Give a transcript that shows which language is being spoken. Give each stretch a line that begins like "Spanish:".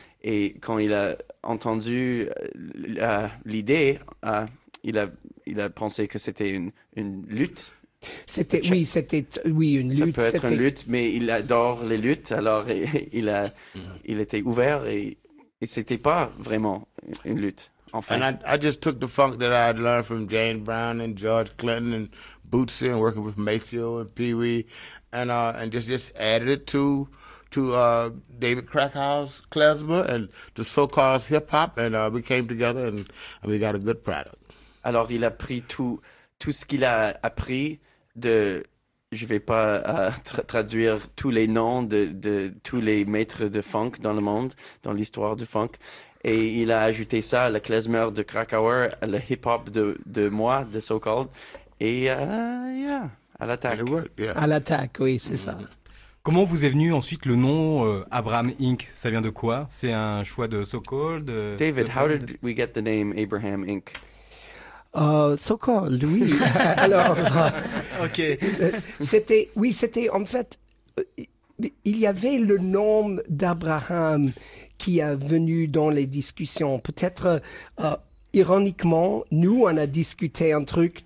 French: Et quand il a entendu l'idée, il a pensé que c'était une lutte. C'était une lutte. Ça peut être une lutte, mais il adore les luttes. Alors il était ouvert et c'était pas vraiment une lutte. Enfin.
English: And I just took the funk that I had learned from Jane Brown and George Clinton and Bootsy and working with Maceo and Pee Wee, and just added it to David Krakow's klezmer and the so-called hip hop, and we came together and we got a good product.
French: Alors il a pris tout ce qu'il a appris de, je vais pas traduire tous les noms de tous les maîtres de funk dans le monde, dans l'histoire du funk. Et il a ajouté ça, le klezmer de Krakauer, le hip-hop de moi, de so-called. Et, à l'attaque. À l'attaque, oui, c'est ça. Comment vous est venu ensuite le nom Abraham Inc? Ça vient de quoi? C'est un choix de so-called
English: David, how did we get the name Abraham Inc?
French: So-called, oui. Alors, okay. C'était, en fait, il y avait le nom d'Abraham qui a venu dans les discussions. Peut-être, ironiquement, nous, on a discuté un truc.